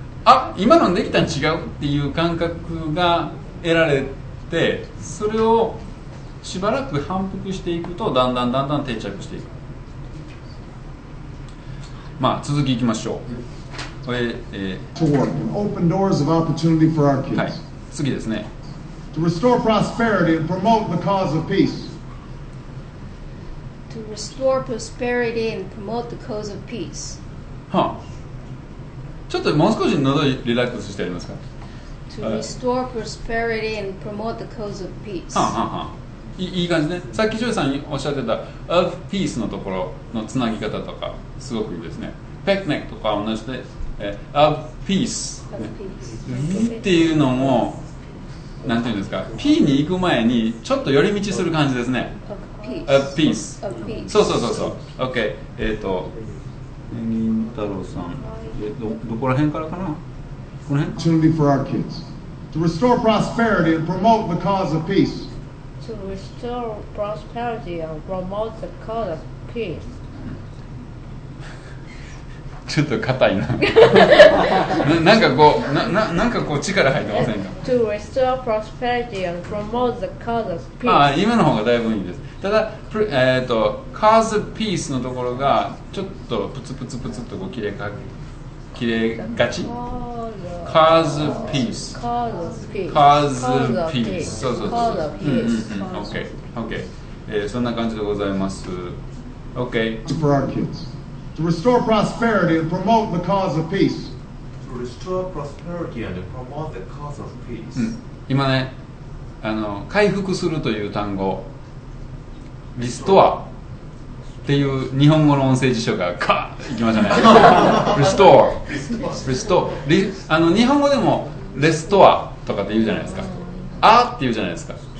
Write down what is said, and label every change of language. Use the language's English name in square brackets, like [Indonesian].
[Japanese] あ、今のできたん違うっていう感覚が得られて、それをしばらく反復していくとだんだんだんだん定着していく。まあ続きいきましょう。これ、 [English] Open doors of opportunity for our kids. [Japanese] はい、次ですね。 [English] To restore prosperity and promote the cause of peace. To restore prosperity and promote the cause of peace. [Japanese] はあ、ちょっともう少し喉をリラックスしてやりますか。 [English] To restore prosperity and promote the cause of peace。 [Japanese] はんはんはん、いい感じね。さっきジョイさんにおっしゃってた [English] of peace [Japanese] のところのつなぎ方とかすごくいいですね。ペクネックとか同じで [English] of peace、 [Japanese] ね、っていうのもなんていうんですか、 P に行く前にちょっと寄り道する感じですね。 [English] of peace。 [Japanese] そうそうそうそう、 OK。ミンタロウさん、どこら辺からかな、この辺。 [English] Opportunity for our kids. To restore prosperity and promote the cause of peace. To restore prosperity and promote the cause of peace. [Japanese] ちょっと硬いな。なんかこう力入ってませんか。 [English] To restore prosperity and promote the cause of peace. [Japanese] ああ、今の方がだいぶいいです。ただ、 [English] cause of peace [Japanese] のところがちょっとプツプツプツっとこう切れがち。 [English] Cause of peace。 Cause of peace。 Cause of peace。 [Japanese] そうそうそう。 [English] Okay. [Japanese] そんな感じでございます。 [English] Okay. To for our kids. To restore prosperity and promote the cause of peace. To restore prosperity and promote the cause of peace。 [Japanese] うん、今ね、回復するという単語。リストア、ていう日本語の音声辞書がカーッいきましたね。Restore あの日本語でも Restore とかって言うじゃないですか。あーって言うじゃないですか。